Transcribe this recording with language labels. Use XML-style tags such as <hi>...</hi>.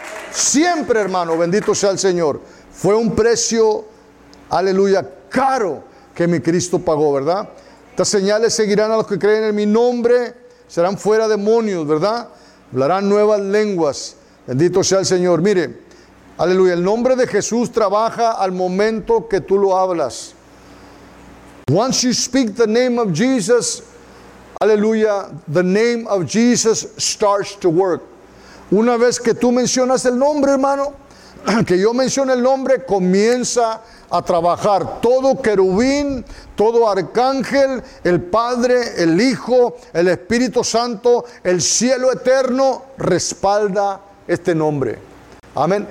<es>Siempre, hermano, bendito sea el Señor. Fue un precio, aleluya, caro. Que mi Cristo pagó, ¿verdad? Estas señales seguirán a los que creen en mi nombre. Serán fuera demonios, ¿verdad? Hablarán nuevas lenguas. Bendito sea el Señor. Mire, aleluya, el nombre de Jesús trabaja al momento que tú lo hablas.</es> <en>Once you speak the name of Jesus, aleluya, the name of Jesus starts to work.</en> <es>Una vez que tú mencionas el nombre, hermano, que yo mencione el nombre, comienza a trabajar todo querubín, todo arcángel, el Padre, el Hijo, el Espíritu Santo, el cielo eterno, respalda este nombre. Amén.</es>